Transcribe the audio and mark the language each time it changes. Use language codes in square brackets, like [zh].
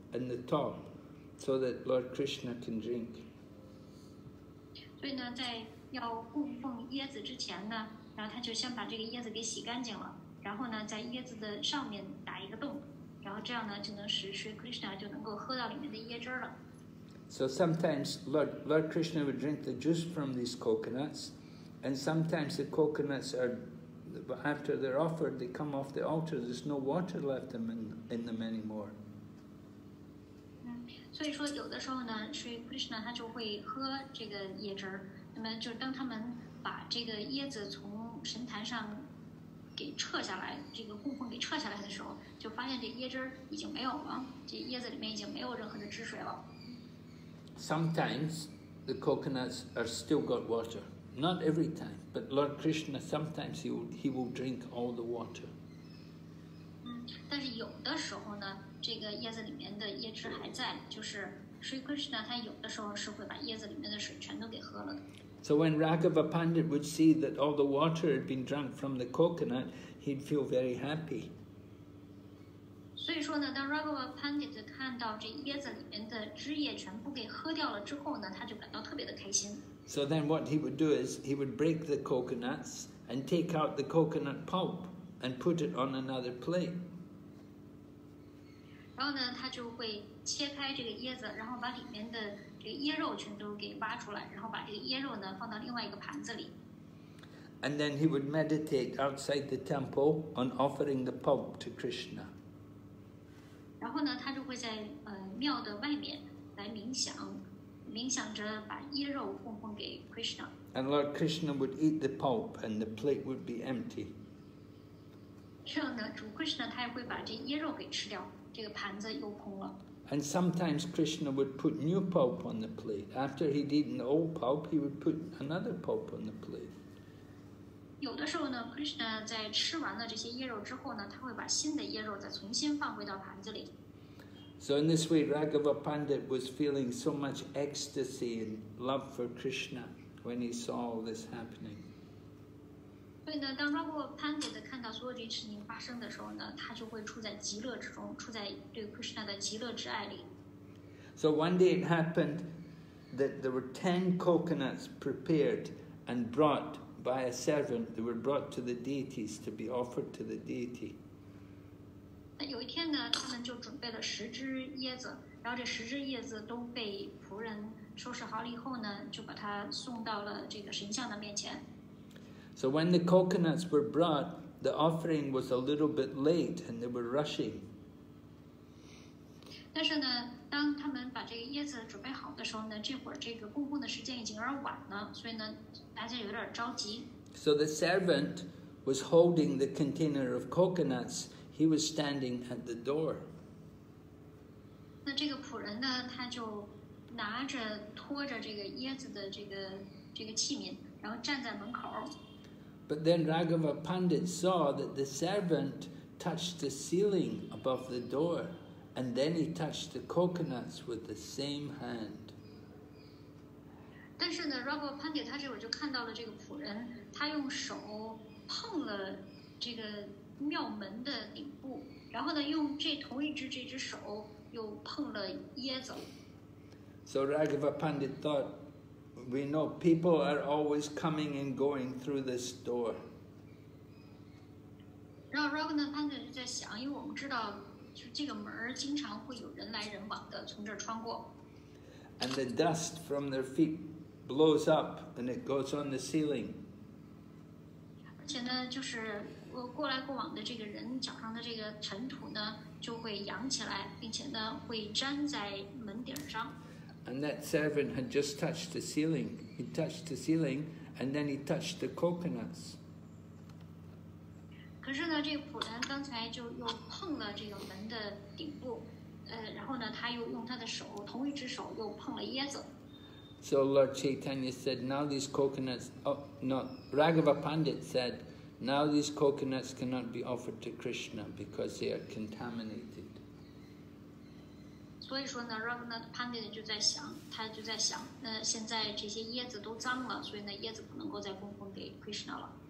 [en] In the top, so that Lord Krishna can drink. [zh] 所以呢，在要供奉椰子之前呢，然后他就先把这个椰子给洗干净了，然后呢，在椰子的上面打一个洞，然后这样呢，就能使 Sri Krishna 就能够喝到里面的椰汁了。 [en] So sometimes Lord Krishna would drink the juice from these coconuts, and sometimes the coconuts are, after they're offered, they come off the altar. There's no water left in them anymore. [zh] 所以说有的时候呢 Sri Krishna 他就会喝这个椰汁，那么就当他们把这个椰子从神坛上给撤下来，这个供奉给撤下来的时候，就发现这椰汁已经没有了，这椰子里面已经没有任何的汁水了。 [en] Sometimes the coconuts are still got water, not every time, but Lord Krishna sometimes he will drink all the water. [zh] 但是有的时候呢这个椰子里面的椰汁还在，就是 Sri Krishna 他有的时候是会把椰子里面的水全都给喝了的。 [en] So when Raghava Pandit would see that all the water had been drunk from the coconut, he'd feel very happy. [zh] 所以说呢，当 Raghava Pandit 看到这椰子里面的汁液全部给喝掉了之后呢，他就感到特别的开心。 [en] So then what he would do is he would break the coconuts and take out the coconut pulp and put it on another plate. [zh] 然后呢，他就会切开这个椰子，然后把里面的这个椰肉全都给挖出来，然后把这个椰肉呢放到另外一个盘子里。 [en] And then he would meditate outside the temple on offering the pulp to Krishna. [zh] 然后呢，他就会在庙的外面来冥想，冥想着把椰肉奉奉给 Krishna。 [en] And Lord Krishna would eat the pulp, and the plate would be empty. [zh] 这样呢，主 Krishna 他也会把这椰肉给吃掉，这个盘子又空了。 [en] And sometimes Krishna would put new pulp on the plate. After he'd eaten the old pulp, he would put another pulp on the plate. [zh] 有的时候呢 ，Krishna 在吃完了这些椰肉之后呢，他会把新的椰肉再重新放回到盘子里。 [en] So in this way, Raghava Pandit was feeling so much ecstasy and love for Krishna when he saw all this happening. [zh] 所以呢，当 Raghava Pandit 看到所有这些事情发生的时候呢，他就会处在极乐之中，处在对 Krishna 的极乐之爱里。 [en] So one day it happened that there were 10 coconuts prepared and brought by a servant. They were brought to the deities to be offered to the deity. [zh] 那有一天呢，他们就准备了十只椰子，然后这十只椰子都被仆人收拾好了以后呢，就把它送到了这个神像的面前。 [en] So when the coconuts were brought, the offering was a little bit late, and they were rushing. [zh] 但是呢，当他们把这个椰子准备好的时候呢，这会儿这个供奉的时间已经有点晚了，所以呢，大家有点着急。 [en] So the servant was holding the container of coconuts. He was standing at the door. [zh] 那这个仆人呢，他就拿着拖着这个椰子的这个器皿，然后站在门口。 [en] But then Raghava Pandit saw that the servant touched the ceiling above the door, and then he touched the coconuts with the same hand. [zh] 但是呢 ，Raghava Pandit 他这会就看到了这个仆人，他用手碰了这个庙门的顶部，然后呢，用这同一只这只手又碰了椰子。 [en] So Raghava Pandit thought. We know people are always coming and going through this door. [zh] 然后 Raghava Pandit 就在想，因为我们知道，就这个门经常会有人来人往的从这穿过。 [en] And the dust from their feet blows up, and it goes on the ceiling. [zh] 而且呢，就是过来过往的这个人脚上的这个尘土呢，就会扬起来，并且呢，会粘在门顶上。 [en] And that servant had just touched the ceiling. He touched the ceiling, and then he touched the coconuts. [zh] 可是呢，这个仆人刚才就又碰了这个门的顶部，然后呢，他又用他的手，同一只手又碰了椰子。 [en] So Lord Chaitanya said, "Now these coconuts, Raghava Pandit said, now these coconuts cannot be offered to Krishna because they are contaminated." [zh] 所以说呢 ，Raghava Pandit 就在想，他就在想，那现在这些椰子都脏了，所以呢，椰子不能够再供奉给 Krishna 了。